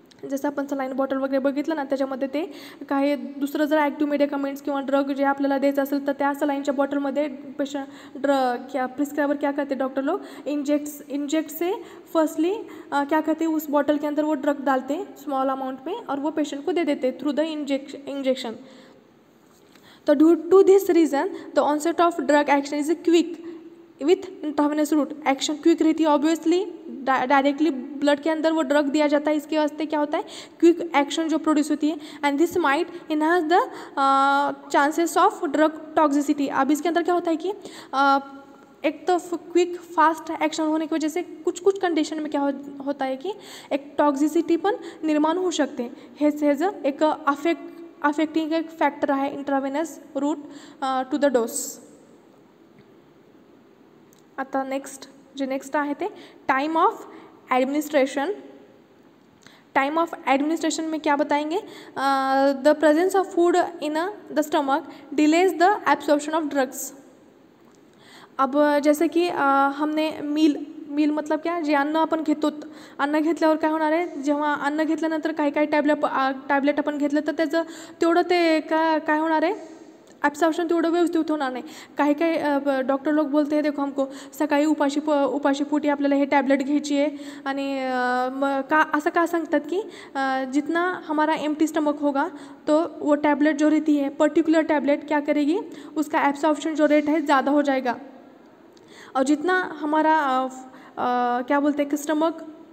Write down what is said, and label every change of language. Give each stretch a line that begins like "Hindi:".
Marathi: जसं आपण saline bottle वगैरे बघितलं ना त्याच्यामध्ये ते काही दुसरं जर ॲक्टिव मेडिकमेंट्स किंवा ड्रग जे आपल्याला द्यायचं असेल तर त्या सलाईनच्या बॉटलमध्ये
Hindi: पेशंट ड्रग क्या प्रिस्क्रायबर क्या करते डॉक्टर लोक इंजेक्ट से फर्स्टली क्या करते उस बॉटल के अंदर वो ड्रग डालते स्मॉल अमाउंट में और वो पेशंट को दे देते थ्रू द इंजेक्शन। तो
English: due to this reason the onset of drug action is a quick with intravenous route,
Hindi: action quick रहती है ऑब्वियसली, डायरेक्टली ब्लड के अंदर वो ड्रग दिया जाता है, इसके वास्ते क्या होता है क्विक एक्शन जो प्रोड्यूस होती है
English: And this might enhance the chances of drug toxicity.
Hindi: अब इसके अंदर क्या होता है कि एक तो क्विक फास्ट एक्शन होने की वजह से कुछ कुछ कंडीशन में क्या होता है कि एक टॉक्सिसिटी पन निर्माण हो सकते हैं, हेज एक अफेक्टिंग एक फैक्टर है इंट्रावेनस रूट टू द डोस।
Marathi: आता नेक्स्ट जे नेक्स्ट आहे ते
English: time of administration, time of administration
Hindi: में क्या बताएंगे,
English: The presence of food in the stomach delays the absorption of drugs.
Hindi: अब जैसे कि हमने मील मतलब क्या,
Marathi: जे अन्न आपण घेतो, अन्न घेतल्यावर काय होणार आहे, जेव्हा अन्न घेतल्यानंतर काही काही टॅबलेट आपण घेतलं तर त्याचं तेवढं ते काय होणार आहे ॲब्सॉर्प्शन तेवढं व्यवस्थित होणार नाही।
Hindi: काही काही डॉक्टर लोक बोलते हे देखो हमको
Marathi: सकाळी उपाशीपोटी आपल्याला हे टॅबलेट घ्यायची आहे आणि असं का सांगतात की
Hindi: जितना हमारा एम्प्टी स्टमक होगा तो वो टॅबलेट जो रहती है पर्टिक्युलर टॅबलेट क्या करेगी उसका ॲब्सॉर्प्शन जो रेट है ज़्यादा हो जाएगा, और जितना हमारा क्या बोलते हैं कि स्टमक